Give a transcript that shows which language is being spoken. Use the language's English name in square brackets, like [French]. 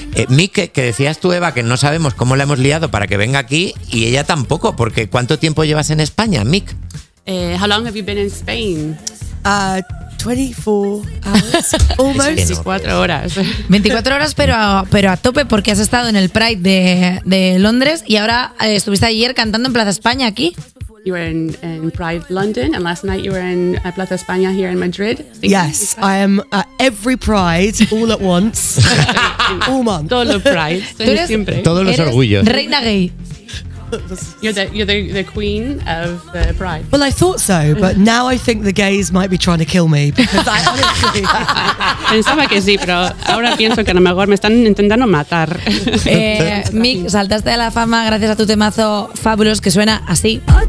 [Spanish] Mick, que decías tú, Eva, que no sabemos cómo la hemos liado para que venga aquí, y ella tampoco, porque ¿cuánto tiempo llevas en España, Mick? [English] How long have you been in Spain? 24 hours, almost. [Spanish] 24 horas. 24 horas, pero a tope, porque has estado en el Pride de Londres y ahora estuviste ayer cantando en Plaza España aquí. [English] You were in Pride London and last night you were in Plaza España here in Madrid. Yes, I am at every Pride all at once. All month. [Spanish] Todos los Prides, siempre. Todos los orgullos. Reina gay. [English] You're the queen of the Pride. Well, I thought so, but now I think the gays might be trying to kill me. [Spanish] Pensaba que sí, pero ahora pienso que a lo mejor me están intentando matar. Mick, saltaste a la fama gracias a tu temazo Fabulous, que suena así.